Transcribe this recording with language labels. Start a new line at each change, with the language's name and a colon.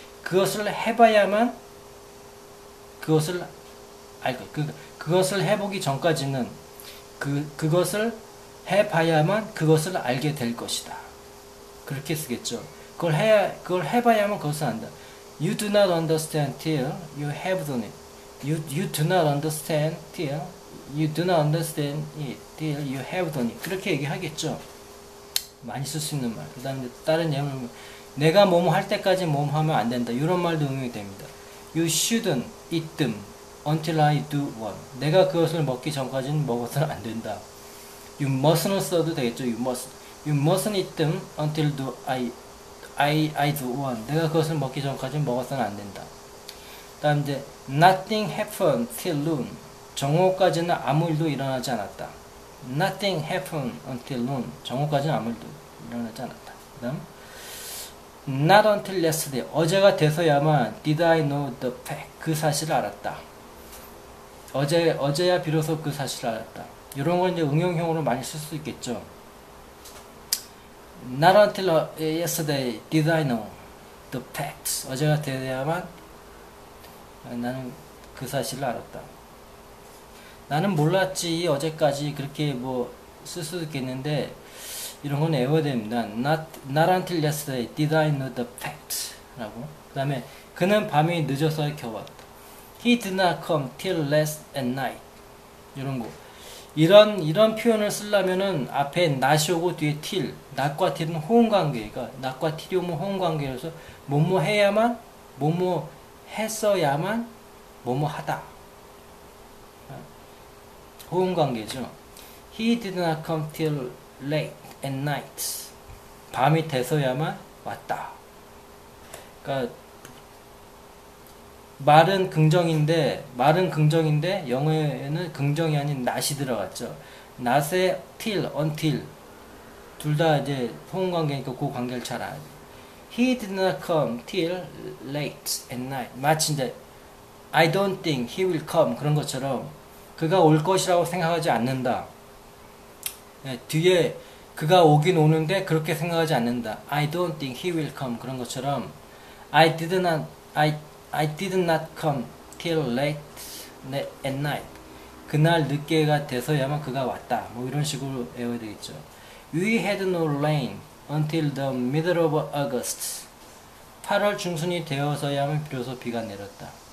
Korean: 그것을 해봐야만 그것을 알 것. 그것을 해보기 전까지는 그것을 해봐야만 그것을 알게 될 것이다. 그렇게 쓰겠죠. 그걸 해봐야만 그것을 안다.
English: You do not understand till you have done it. You do not understand till you do not understand it till you have done it.
Korean: 그렇게 얘기하겠죠. 많이 쓸수 있는 말. 그 다음에 다른 예문. 내가 뭐뭐 할 때까지 뭐뭐 하면 안 된다. 이런 말도 응용이 됩니다.
English: You shouldn't eat them until I do one.
Korean: 내가 그것을 먹기 전까지는 먹어서는 안 된다.
English: You mustn't
Korean: 써도 되겠죠.
English: You mustn't eat them until I do one.
Korean: 내가 그것을 먹기 전까지는 먹어서는 안 된다. 다음 이제
English: Nothing happened till noon.
Korean: 정오까지는 아무 일도 일어나지 않았다.
English: Nothing happened until noon.
Korean: 정오까지는 아무 일도 일어나지 않았다. 그다음,
English: Not until yesterday.
Korean: 어제가 돼서야만
English: did I know the fact.
Korean: 그 사실을 알았다. 어제야 비로소 그 사실을 알았다. 이런 건 이제 응용형으로 많이 쓸수 있겠죠.
English: Not until yesterday did I know the facts.
Korean: 어제가 돼서야만 나는 그 사실을 알았다. 나는 몰랐지, 어제까지. 그렇게 뭐, 쓸 수도 있겠는데, 이런 건 외워야 됩니다.
English: Not until yesterday did I know the facts.
Korean: 라고. 그 다음에, 그는 밤이 늦어서 겨웠다.
English: He did not come till last at night.
Korean: 이런 거. 이런 표현을 쓰려면은, 앞에 not이 오고 뒤에 till. not과 till은 호응 관계가. not과 till이 오면 호응 관계여서, 뭐뭐 해야만, 뭐뭐 했어야만, 뭐뭐 하다. 호응 관계죠.
English: He did not come till late at night.
Korean: 밤이 돼서야만 왔다. 그러니까 말은 긍정인데 영어에는 긍정이 아닌 not이 들어갔죠. not에 till, until 둘다 이제 호응 관계니까 그 관계를 잘 알아야 돼.
English: He did not come till late at night.
Korean: 마치 이제
English: I don't think he will come
Korean: 그런 것처럼 그가 올 것이라고 생각하지 않는다. 네, 뒤에 그가 오긴 오는데 그렇게 생각하지 않는다.
English: I don't think he will come
Korean: 그런 것처럼
English: I did not come till late at night.
Korean: 그날 늦게가 돼서야만 그가 왔다. 뭐 이런 식으로 외워야 되겠죠.
English: We had no rain until the middle of August.
Korean: 8월 중순이 되어서야만 비로소 비가 내렸다.